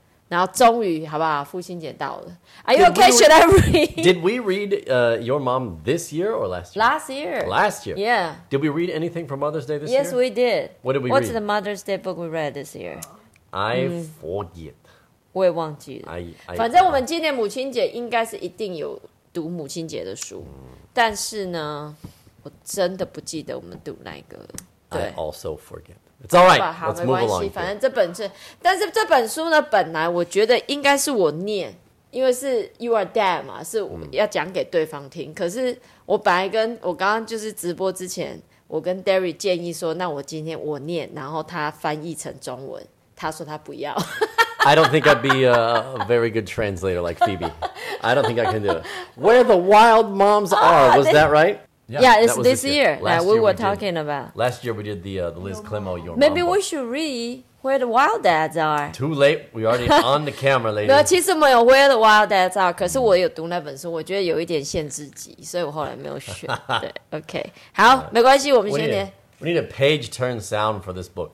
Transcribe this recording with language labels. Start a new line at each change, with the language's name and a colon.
Chinese: 然后终于，好不好？父亲节到了。
English: Are you okay? Should I read? Did we read your mom this year or last year? Last year. Last year? Yeah. Did we read anything for Mother's Day this year? Yes, we did. What did we read? What's the Mother's Day book we read this year? I forget.
Chinese: 我也忘记了。反正我们今年母亲节应该是一定有读母亲节的书。但是呢，我真的不记得我们读哪一个。
English: I also forget. It's all right. Let's move along.
Chinese: 反正这本是，但是这本书呢，本来我觉得应该是我念，因为是 You Are Dad 嘛，是要讲给对方听。可是我本来跟我刚刚就是直播之前，我跟 Derry 建议说，那我今天我念，然后他翻译成中文。他说他不要。
English: I don't think I'd be a very good translator like Phoebe. I don't think I can do it. Where the Wild Moms Are, was that right? Yeah, it's this year. Yeah, we were talking about. Last year we did the Liz Klimo Your Mom. Maybe we should read Where the Wild Dads Are. Too late. We already on the camera, lady.
Chinese: 没有，其实没有 Where the Wild Dads Are. 可是我有读那本书，我觉得有一点限制级，所以我后来没有选。对 ，OK， 好，没关系，我们先念。
English: We need a page turn sound for this book.